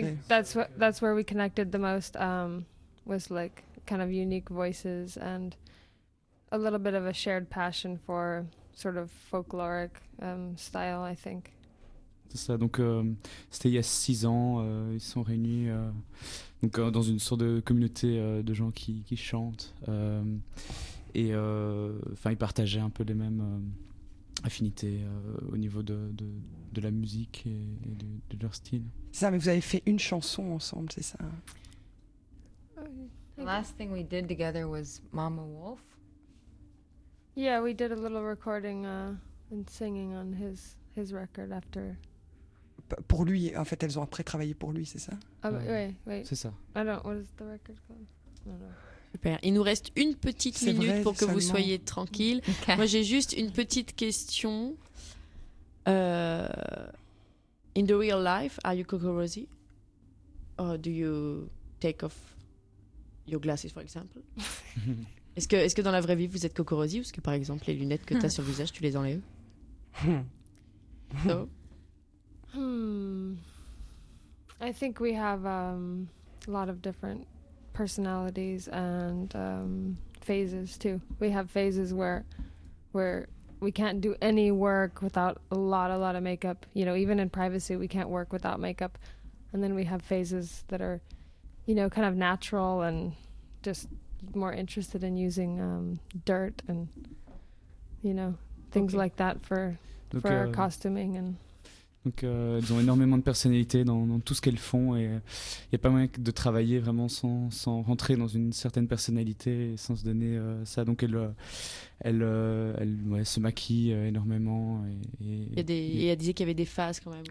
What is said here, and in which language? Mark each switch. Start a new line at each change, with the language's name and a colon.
English: I think that's where we connected the most, was like kind of unique voices and a little bit of a shared passion for sort of folkloric style, I think.
French: C'est ça, donc c'était il y a 6 ans, ils se sont réunis donc, dans une sorte de communauté de gens qui chantent et ils partageaient un peu les mêmes... affinité au niveau de la musique et de leur style. C'est ça, mais vous avez fait une chanson ensemble, c'est ça?
English: The last thing we did together was Mama Wolf. Yeah, we did a little recording and singing on his record after.
French: Pour lui, en fait, elles ont après travaillé pour lui, c'est ça? Oui. C'est ça.
English: I don't, what is the record called? No.
French: Super. Il nous reste une petite c'est minute vrai, pour que seulement. Vous soyez tranquille.
English: Okay.
French: Moi, j'ai juste une petite question.
English: In the real life, are you Coco Rosie? Or do you take off your glasses, for example?
French: est-ce que dans la vraie vie, vous êtes Coco Rosie? Parce que, par exemple, les lunettes que tu as sur le visage, tu les enlèves.
English: So? I think we have a lot of different... personalities and phases too. We have phases where we can't do any work without a lot of makeup. You know, even in privacy, we can't work without makeup. And then we have phases that are, you know, kind of natural and just more interested in using dirt and, you know, things like that for our costuming. And
French: donc, ils ont énormément de personnalité dans tout ce qu'elles font et il n'y a pas moyen de travailler vraiment sans rentrer dans une certaine personnalité et sans se donner ça. Donc, elles se maquillent énormément. Il y a des qu'il y avait des phases quand même.